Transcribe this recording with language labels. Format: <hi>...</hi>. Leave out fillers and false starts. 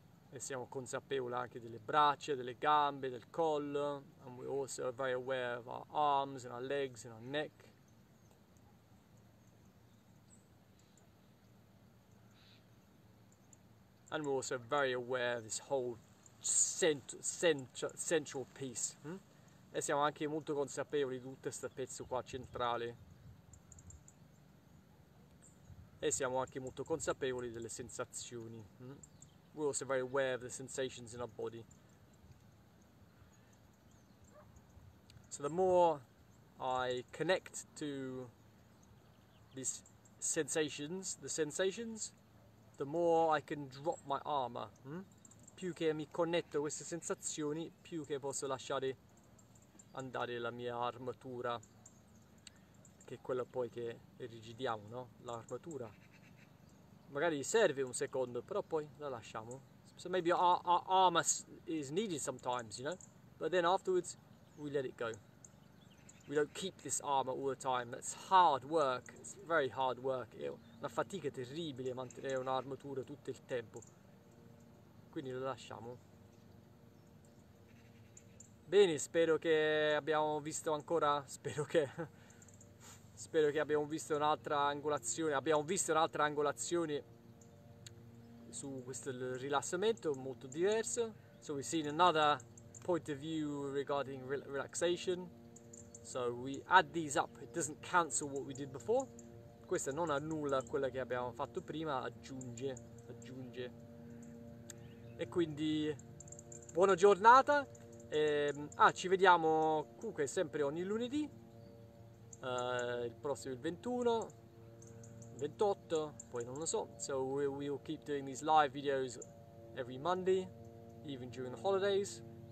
<it>E siamo consapevoli anche delle braccia, delle gambe, del collo.</it> <en>And we're also very aware of our arms and our legs and our neck. And we're also very aware of this whole central piece.</en> <it>E siamo anche molto consapevoli di tutto questo pezzo qua centrale. E siamo anche molto consapevoli delle sensazioni.</it> <en>We're also very aware of the sensations in our body. So the more I connect to these sensations, the more I can drop my armor.</en> <it>Più che mi connetto a queste sensazioni, più che posso lasciare andare la mia armatura, che è quello poi che irrigidiamo, no? L'armatura. Magari serve un secondo, però poi la lasciamo.</it> <en>So maybe our armor is needed sometimes, you know, but then afterwards we let it go. We don't keep this armor all the time. That's hard work. It's very hard work.</en> <it>È una fatica terribile mantenere un'armatura tutto il tempo. Quindi lo lasciamo. Bene, spero che abbiamo visto ancora. Spero che abbiamo visto un'altra angolazione. Abbiamo visto un'altra angolazione su questo rilassamento molto diverso.</it> <en>So we've seen another point of view regarding relaxation. So we add these up, it doesn't cancel what we did before.</en> <it>Questa non annulla quella che abbiamo fatto prima, aggiunge. E quindi buona giornata. Ci vediamo comunque sempre ogni lunedì, il prossimo, il 21. 28, poi non lo so.</it> <en>So we'll keep doing these live videos every Monday, even during the holidays.</en>